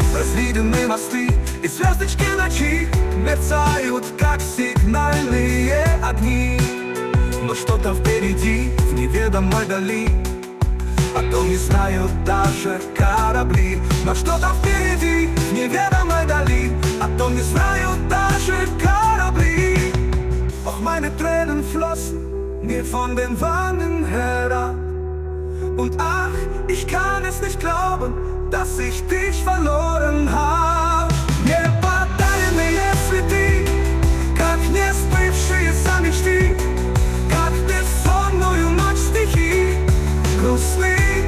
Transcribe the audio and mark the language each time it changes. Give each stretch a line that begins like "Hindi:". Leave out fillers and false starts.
Russian: Разведены мосты и звездочки ночи мерцают, как сигнальные огни. Но что-то впереди, в неведомой дали, о том не знают даже корабли. Но что-то впереди, в неведомой дали, о том не знают даже корабли.
German: Ох, meine Tränen flossen mir von den Wangen herab. Und ach, ich kann es nicht glauben, dass ich dich verloren hab.
Russian: Неподаренные цветы, как несбывшиеся мечты, как бессонную ночь стихи грустны.